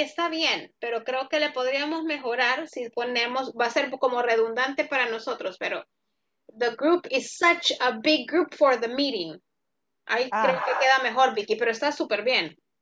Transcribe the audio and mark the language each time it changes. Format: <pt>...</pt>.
<es>Está bien, pero creo que le podríamos mejorar si ponemos... Va a ser como redundante para nosotros, pero...</es> <en>The group is such a big group for the meeting.</en> <es>Ahí creo que queda mejor, Vicky, pero está súper bien.</es>